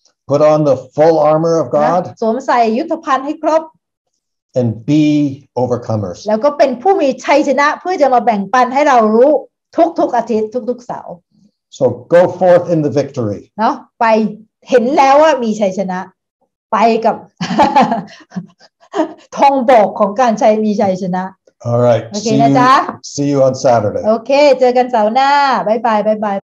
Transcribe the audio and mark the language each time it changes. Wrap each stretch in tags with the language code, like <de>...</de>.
<en>Put on the full armor of God</en> <th>สวมใส่ยุทธภัณฑ์ให้ครบ</th> <en>And be overcomers</en> <th>แล้วก็เป็นผู้มีชัยชนะเพื่อจะมาแบ่งปันให้เรารู้ทุกๆอาทิตย์ทุกๆเสาร์</th> <en>So go forth in the victory.</en> <th>เนาะไปเห็นแล้วว่ามีชัยชนะไปกับธงบอกของการชัยมีชัยชนะ</th> <en>All right. Okay, see you on Saturday.</en> <th>Okay, เจอกันเสาร์หน้าบ๊ายบายบ๊ายบาย</th>